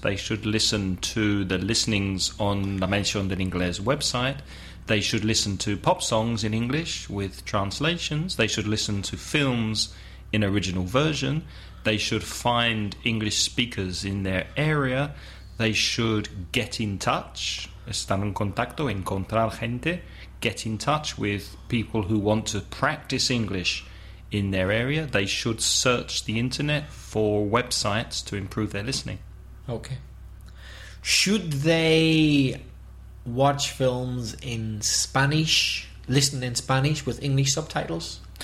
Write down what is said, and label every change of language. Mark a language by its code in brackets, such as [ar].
[en] They should listen to the listenings on La Mención del Inglés website. They should listen to pop songs in English with translations. They should listen to films in original version. They should find English speakers in their area. They should get in touch. [es] Estar en contacto, encontrar gente. [en] Get in touch with people who want to practice English in their area. They should search the internet for websites to improve their listening. Okay. Should they watch films in Spanish, listen in Spanish with English subtitles?